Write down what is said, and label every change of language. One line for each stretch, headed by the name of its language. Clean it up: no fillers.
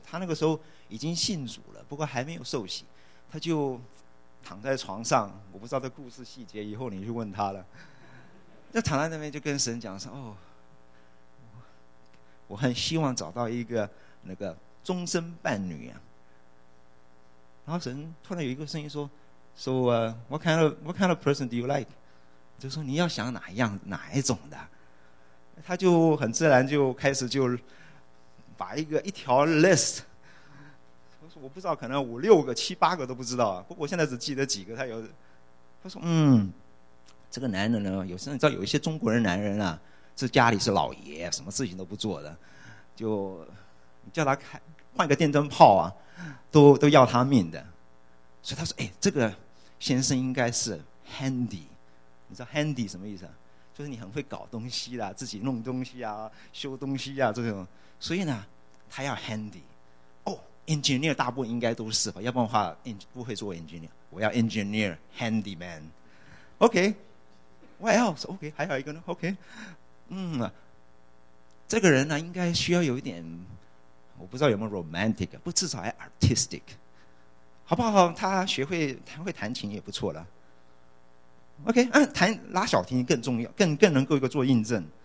Chinese: 他那个时候已经信主了，不过还没有受洗，他就躺在床上，我不知道这故事细节，以后你去问他了。就躺在那边就跟神讲说：“哦，我很希望找到一个那个终身伴侣啊。” 然后神突然有一个声音说：
English: “What kind of person do you like？”
Chinese: 就说你要想哪一种的。他就很自然就开始就把一条 list， 我不知道可能5、6、7、8个都不知道，不过我现在只记得几个。他说这个男人呢，有时候你知道有一些中国人男人啊，是家里是老爷，什么事情都不做的，就你叫他换个电灯泡啊，都要他命的。所以他说，哎，这个先生应该是 handy。你知道 handy 什么意思啊？就是你很会搞东西啦，自己弄东西啊，修东西啊，这种。所以呢他要 handy。engineer 大部分应该都是吧，要不然的话不会做 engineer。我要 engineer handyman。 OK，
English: what else？
Chinese: OK， 还有一个呢。 OK， 这个人呢应该需要有一点，我不知道有没有 romantic， 不，至少还 artistic， 好不好？他学会他会弹琴也不错了。OK， 弹拉小提琴更重要，更能够一个做印证。